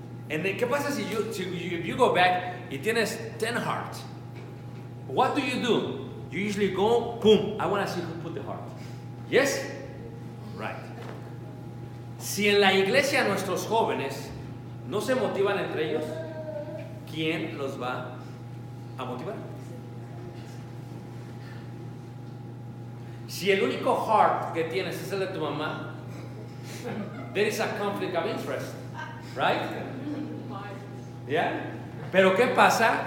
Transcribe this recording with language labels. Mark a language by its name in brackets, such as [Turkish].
[English] And then, [Spanish] ¿qué pasa si [English] if you go back [Spanish] y tienes 10 [English] hearts? What do you do? You usually go, boom, I want to see who put the heart. Yes? Right. [Spanish] Si en la iglesia nuestros jóvenes no se motivan entre ellos, ¿quién los va a motivar? Si el único heart que tienes es el de tu mamá, [English] there is a conflict of interest, right? Yeah. [Spanish] Pero ¿qué pasa?